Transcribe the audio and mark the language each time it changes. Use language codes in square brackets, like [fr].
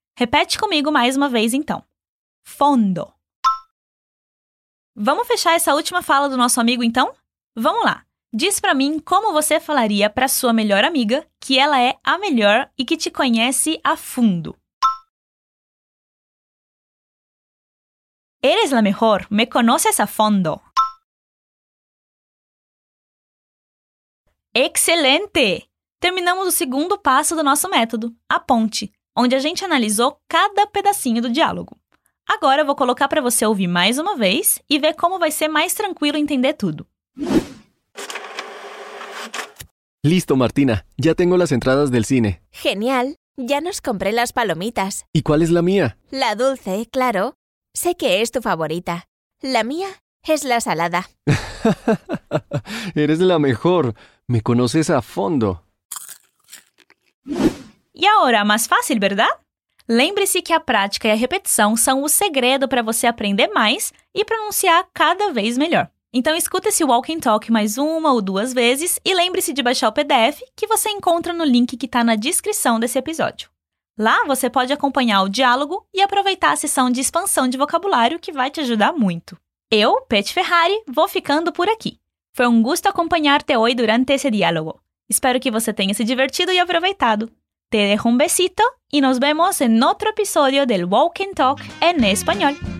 [pt] Repete comigo mais uma vez, então. Fondo. Vamos fechar essa última fala do nosso amigo, então? Vamos lá. Diz pra mim como você falaria pra sua melhor amiga que ela é a melhor e que te conhece a fundo. [es] Eres la mejor, me conoces a fondo. [pt] Excelente! Terminamos o segundo passo do nosso método, a ponte, onde a gente analisou cada pedacinho do diálogo. Agora eu vou colocar para você ouvir mais uma vez e ver como vai ser mais tranquilo entender tudo. [es] Listo, Martina. Ya tengo las entradas del cine. Genial. Ya nos compré las palomitas. ¿Y cuál es la mía? La dulce, claro. Sé que es tu favorita. La mía es la salada. Eres la mejor. Me conoces a fondo. Y ahora, más fácil, ¿verdad? [pt] Lembre-se que a prática e a repetição são o segredo para você aprender mais e pronunciar cada vez melhor. Então, escuta esse Walk and Talk mais uma ou duas vezes e lembre-se de baixar o PDF, que você encontra no link que está na descrição desse episódio. Lá, você pode acompanhar o diálogo e aproveitar a sessão de expansão de vocabulário, que vai te ajudar muito. Eu, Pet Ferrari, vou ficando por aqui. Foi um gosto acompanhar-te hoje durante esse diálogo. Espero que você tenha se divertido e aproveitado. [es] Te dejo un besito y nos vemos en otro episodio del Walk and Talk en español.